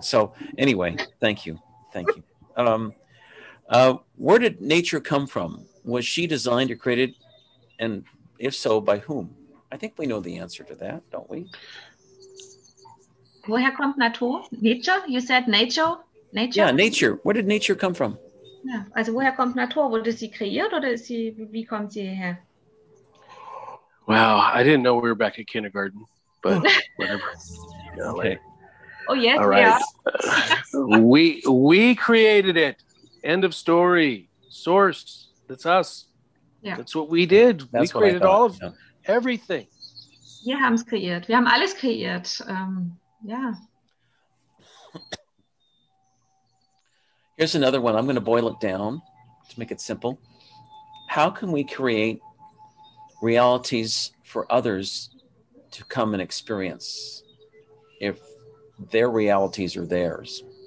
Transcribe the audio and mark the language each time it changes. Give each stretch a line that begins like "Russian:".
English: So anyway, thank you. Thank you. Where did nature come from? Was she designed or created? And if so, by whom? I think we know the answer to that, don't we?
German: Woher kommt Natur?
English: Nature? You said nature? Nature? Yeah, nature. Where did nature come from?
German: Yeah. Also woher kommt Natur? Wurde sie kreiert oder ist sie, wie kommt sie hierher?
English: Wow, I didn't know we were back at kindergarten, but whatever. Yeah, okay. Oh, yes, all right. we created it. End of story. Source. That's us. Yeah. That's what we did. That's we created all of everything.
German: Wir haben es kreiert. Wir haben alles kreiert. Yeah.
English: Here's another one. I'm going to boil it down to make it simple. How can we create realities for others to come and experience if their realities are theirs?